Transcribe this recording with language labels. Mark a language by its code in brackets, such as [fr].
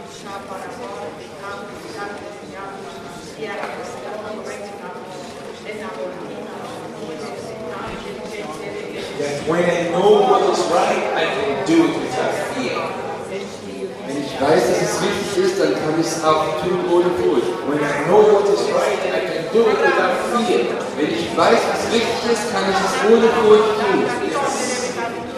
[en] That when I know what is right, I can do it without fear. [de] Wenn ich weiß, dass es richtig ist, dann kann ich es auch tun ohne Furcht. [en] When I know what is right, I can do it without fear. [de] Wenn ich weiß, was richtig ist, kann ich es ohne Furcht tun.